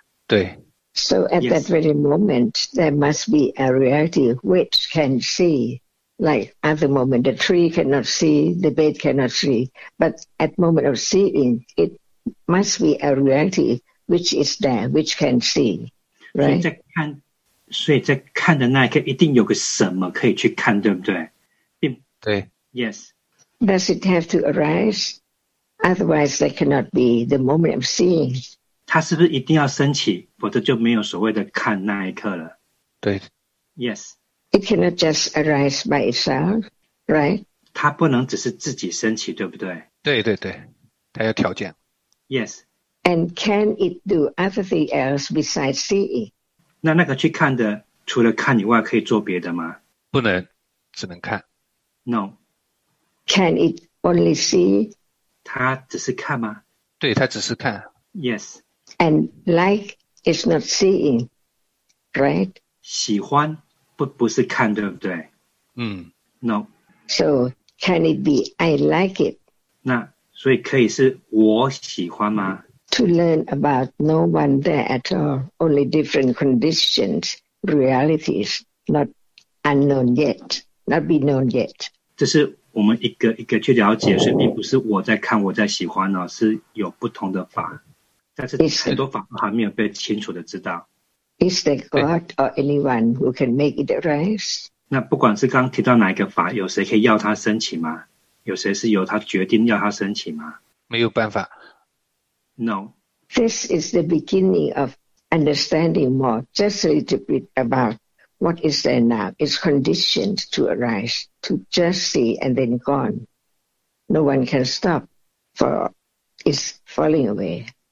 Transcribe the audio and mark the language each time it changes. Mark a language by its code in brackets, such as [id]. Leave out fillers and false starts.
[zh] 对。 [en] So at that very moment, there must be a reality which can see like at the moment, the tree cannot see, the bed cannot see. But at moment of seeing, it must be a reality which is there, which can see, right? [zh] 所以在看的那一刻一定有个什么可以去看, 对不对? 对。 [en] Yes. Does it have to arise? Otherwise, there cannot be the moment of seeing. [zh] 它是不是一定要升起, 否则就没有所谓的看那一刻了? 对。 [en] Yes. It cannot just arise by itself, right? [zh] 它不能只是自己升起, 对不对? 对对对, 它要条件。 [en] Yes. And can it do other thing else besides seeing? [zh] 那个去看的除了看以外可以做别的吗? 不能, 只能看。 [en] No. Can it only see? [zh] 它只是看吗? 对, 它只是看。 [en] Yes. And like is not seeing, right? [zh] 喜欢。不是看, 对不对? [en] No. So, can it be, I like it? [zh] 那, 所以可以是我喜欢吗? [en] To learn about no one there at all, only different conditions, realities, not unknown yet, not be known yet. [zh] 这是我们一个一个去了解, 所以并不是我在看,我在喜欢哦, 是有不同的法, 但是很多法还没有被清楚的知道。 [en] Is there God or anyone who can make it arise? [zh] 那不管是刚提到哪一个法, 有谁可以要他升起吗? 有谁是由他决定要他升起吗? 没有办法。 [en] No. This is the beginning of understanding more, just a little bit about what is there now. It's conditioned to arise, to just see and then gone. No one can stop, for it's falling away.